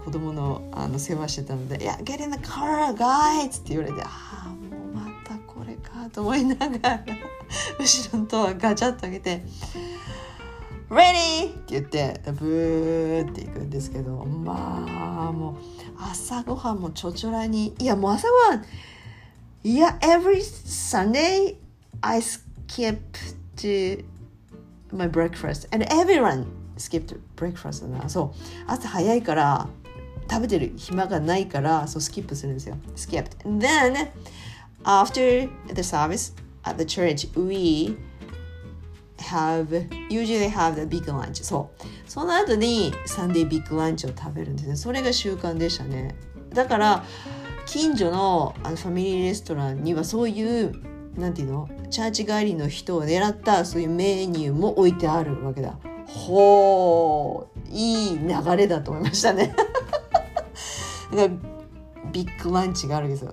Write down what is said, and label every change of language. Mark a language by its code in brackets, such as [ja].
[ja] 子供 の, あの世話してたので、いや [en] Get in the car guys [ja] って言われて、ああもうまたこれかと思いながら後ろのドアガチャッと開けて [en] Ready [ja] って言ってブーって行くんですけど、まあもう朝ごはんもちょちょらに、いやもう朝ごはん、いや [en] Every Sunday I skip toMy breakfast and everyone skipped breakfast. [ja] だな。そう、朝早いから食べてる暇がないから、そうスキップするんですよ。 [en] Skipped. And then after the service at the church, we have usually have the big lunch. [ja] そう、その後にサンデービッグランチを食べるんですね。それが習慣でしたね。だから近所のあのファミリーレストランにはそういう、なんていうの、チャーチ帰りの人を狙ったそういうメニューも置いてあるわけだ。ほー、いい流れだと思いましたねかビッグランチがあるんですよ。